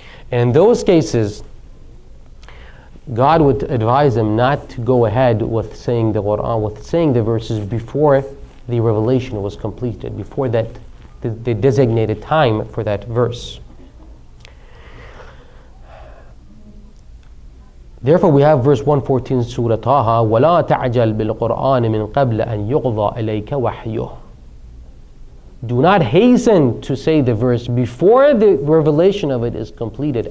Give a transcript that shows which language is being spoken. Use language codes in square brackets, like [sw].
[en] And in those cases, God would advise him not to go ahead with saying the Quran, with saying the verses before the revelation was completed, before that the designated time for that verse. Therefore, we have verse 114, Surah Taha, [ar] وَلَا تَعْجَلْ بِالْقُرْآنِ مِنْ قَبْلَ أَنْ يُقْضَى إِلَيْكَ وَحْيُهُ. [en] Do not hasten to say the verse before the revelation of it is completed.